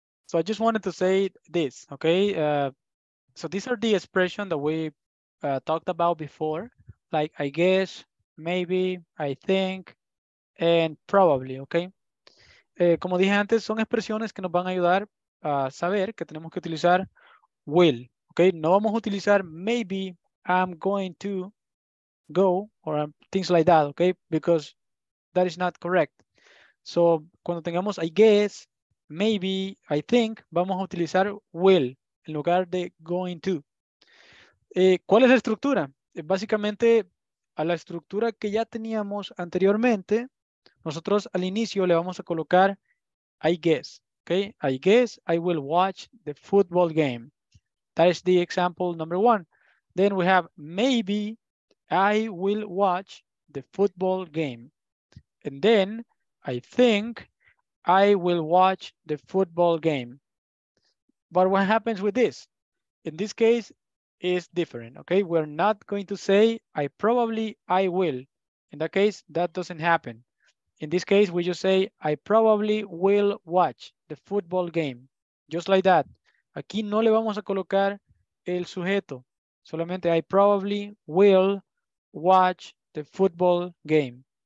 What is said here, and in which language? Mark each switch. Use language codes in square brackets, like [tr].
[en] So I just wanted to say this, okay? So these are the expressions that we talked about before, like I guess, maybe, I think, and probably, okay? [es] Como dije antes, son expresiones que nos van a ayudar a saber que tenemos que utilizar will, okay? [en] No vamos a utilizar maybe, I'm going to go, or things like that, okay? Because that is not correct. So cuando tengamos I guess, maybe, I think, vamos a utilizar will en lugar de going to. ¿Cuál es la estructura? [es] Básicamente, a la estructura que ya teníamos anteriormente, nosotros al inicio le vamos a colocar I guess, okay? [en] I guess I will watch the football game. That is the example number one. Then we have maybe I will watch the football game. And then I think I will watch the football game. But what happens with this? In this case, it's different, okay? We're not going to say I probably I will. In that case, that doesn't happen. In this case, we just say I probably will watch the football game. Just like that. [es] Aquí no le vamos a colocar el sujeto. [en] Solamente I probably will watch the football game.